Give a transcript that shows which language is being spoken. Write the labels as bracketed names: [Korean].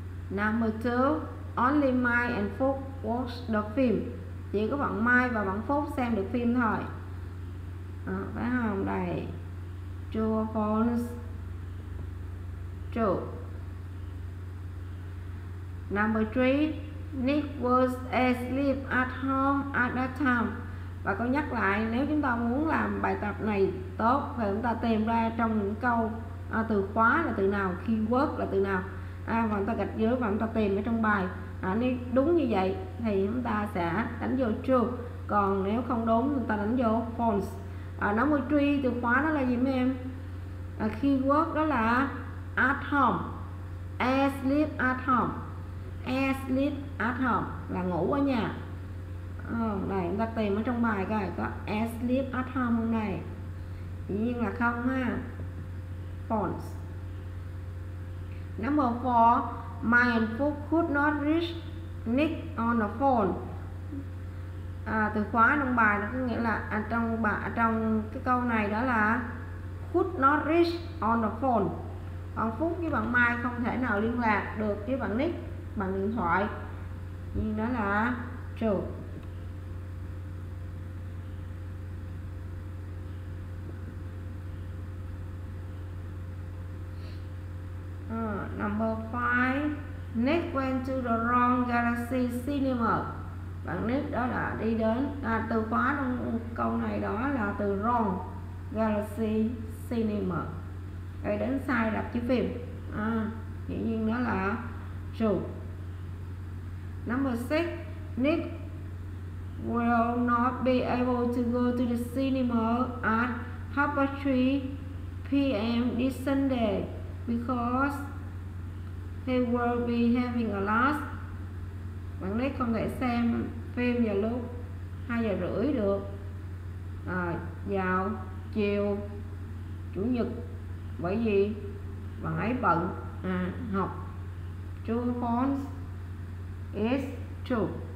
[English] Number two, only Mai and Phúc watch the film. [Vietnamese] Chỉ có bạn Mai và bạn Phúc xem được phim thôi. Phải không? Đây. [English] True or false? True. Number three, Nick was asleep at home at that time. [Vietnamese] Và câu nhắc lại, nếu chúng ta muốn làm bài tập này tốt thì chúng ta tìm ra trong những câu từ khóa là từ nào, keyword là từ nào. Và chúng ta gạch dưới và chúng ta tìm ở trong bài. Nếu đúng như vậy thì chúng ta sẽ đánh vô true. Còn nếu không đúng thì chúng ta đánh vô false. Number three, từ khóa đó là gì mấy em? [English] Keyword đó là at home. Asleep at home. [Vietnamese] Asleep at home là ngủ ở nhà. Đây, chúng ta tìm ở trong bài coi có asleep at home không này. Dĩ nhiên là không ha. False. [English] Number 4, Mai and Phúc could not reach Nick on the phone. [Vietnamese] Từ khóa trong bài nó có nghĩa là trong cái câu này đó là could not reach on the phone. Bạn Phúc với bạn Mai không thể nào liên lạc được với bạn Nick bằng điện thoại. Nhưng đó là true. [English] Number 5, Nick went to the wrong Galaxy Cinema. [Vietnamese] Bạn Nick đó là đi đến, từ khóa trong câu này đó là từ wrong Galaxy Cinema. Đây đến sai rạp chiếu phim. Dĩ nhiên đó là true. [English] Number 6, Nick will not be able to go to the cinema at 3:30 p.m. this Sunday because he will be having a last. [Vietnamese] Bạn Nick không thể xem phim vào lúc 2:30 được, vào chiều chủ nhật, bởi vì bạn ấy bận học. [English] True or false? Is true.